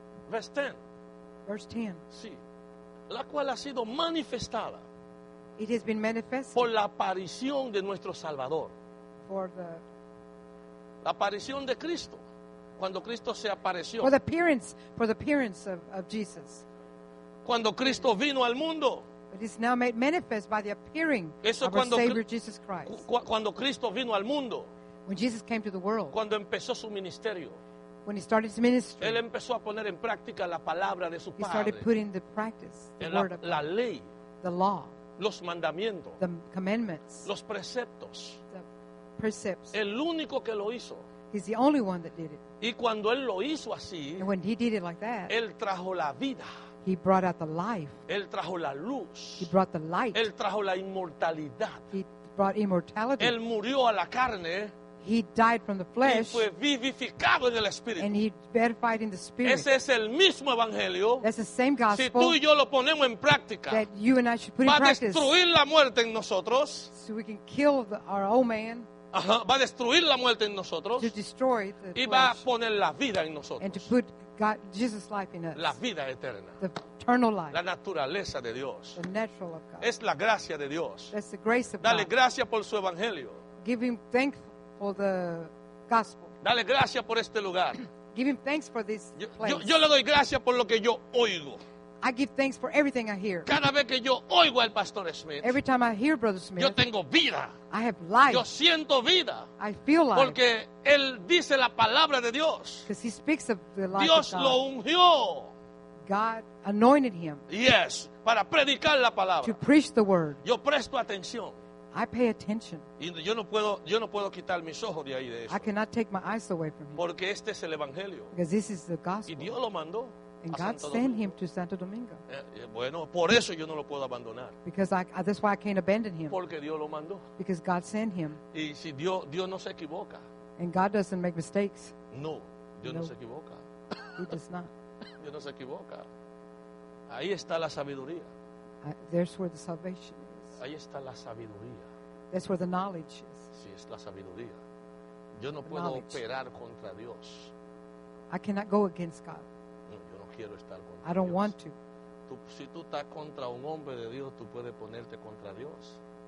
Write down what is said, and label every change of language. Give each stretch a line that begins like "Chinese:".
English: Verse 10. Sí.
Spanish: La cual ha sido manifestada.
English: It has been manifested.
Spanish: Por la aparición de nuestro Salvador.
English: For the.
Spanish: La aparición de Cristo. Cuando Cristo se apareció.
English: For the appearance of Jesus.
Spanish: Cuando Cristo vino al mundo.
English: But it's now made manifest by the appearing
Spanish: eso
English: of our Savior Jesus Christ.
Spanish: Cuando Cristo vino al mundo.
English: When Jesus came to the world.
Spanish: Cuando empezó su ministerio.
English: When he started his ministry.
Spanish: Él empezó a poner en práctica la palabra de su
English: he
Spanish: padre.
English: He started putting the practice, the
Spanish: la,
English: word of
Spanish: la ley.
English: The law.
Spanish: Los mandamientos.
English: The commandments.
Spanish: Los preceptos.
English: The precepts.
Spanish: El único que lo hizo.
English: He's the only one that did it.
Spanish: Y cuando él lo hizo así.
English: And when he did it like that.
Spanish: Él trajo la vida.
English: He brought out the life.
Spanish: Él trajo la luz.
English: He brought the light.
Spanish: Él trajo la inmortalidad.
English: He brought immortality.
Spanish: Él murió a la carne.
English: He died from the flesh.
Spanish: Y fue vivificado en el espíritu.
English: And he verified in the spirit.
Spanish: Ese es el mismo evangelio.
English: That's the same gospel.
Spanish: Si tú y yo lo ponemos en práctica.
English: That you and I should put in practice.
Spanish: Va a destruir la muerte en nosotros.
English: So we can kill our old man.
Spanish: Ajá. Va a destruir la muerte en nosotros.
English: To destroy the
Spanish: y va a poner la vida en nosotros.
English: And to put God, Jesus' life in us.
Spanish: La vida eterna.
English: The eternal life.
Spanish: La naturaleza de Dios.
English: The natural of God.
Spanish: Es la gracia de Dios.
English: That's the grace of
Spanish: Dale
English: God.
Spanish: Dale gracias por su evangelio.
English: Give him thanks for the gospel.
Spanish: Dale gracias por este lugar.
English: Give him thanks for this place.
Spanish: Yo le doy gracias por lo que yo oigo.
English: I give thanks for everything I hear.
Spanish: Cada vez que yo oigo al Pastor Smith.
English: Every time I hear Brother Smith.
Spanish: Yo tengo vida.
English: I have life.
Spanish: Yo siento vida.
English: I feel life.
Spanish: Porque él dice la palabra de Dios.
English: Because he speaks of the life
Spanish: Dios
English: of God.
Spanish: Lo ungió.
English: God anointed him. Yes,
Spanish: para predicar la palabra.
English: To preach the word.
Spanish: Yo presto atención.
English: I pay attention.
Spanish: Y yo no puedo quitar mis ojos de ahí de eso.
English: I cannot take my eyes away from him.
Spanish: Porque este es el evangelio.
English: Because this is the gospel.
Spanish: Y Dios lo mandó.
English: And God sent him to Santo Domingo.
Spanish: Bueno, por eso yo no lo puedo abandonar.
English: Because that's why I can't abandon him.
Spanish: Porque Dios lo mandó.
English: Because God sent him.
Spanish: Y si Dios no se equivoca.
English: And God doesn't make mistakes.
Spanish: No, Dios no se equivoca.
English: He does not.
Spanish: Dios no se equivoca. Ahí está la sabiduría.
English: There's where the salvation is.
Spanish: Ahí está la sabiduría.
English: That's where the knowledge is.
Spanish: Sí, es la sabiduría. Yo no puedo operar contra Dios.
English: I cannot go against God.
Spanish: Quiero estar con
English: I don't
Spanish: Dios.
English: Want to.
Spanish: Tú, si tú estás contra un hombre de Dios, tú puedes ponerte contra Dios.